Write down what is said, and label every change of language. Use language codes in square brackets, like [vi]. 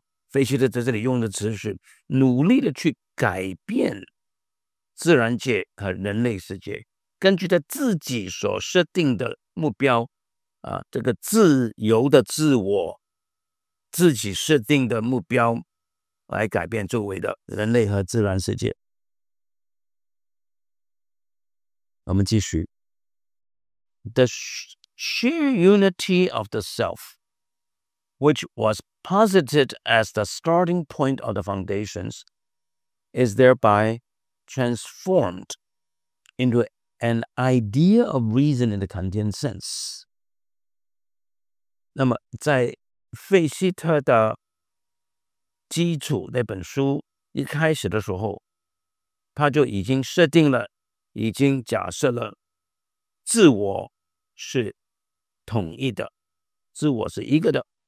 [zh] 飞行者在这里用的词是努力的去改变自然界和人类世界，根据他自己所设定的目标。这个自由的自我，自己设定的目标来改变周围的人类和自然世界。我们继续。 [en] The sheer unity of the self, which was posited as the starting point of the foundations, is thereby transformed into an idea of reason in the Kantian sense. [zh] 那么在费希特的基础那本书一开始的时候，他就已经设定了，已经假设了自我是统一的，自我是一个的。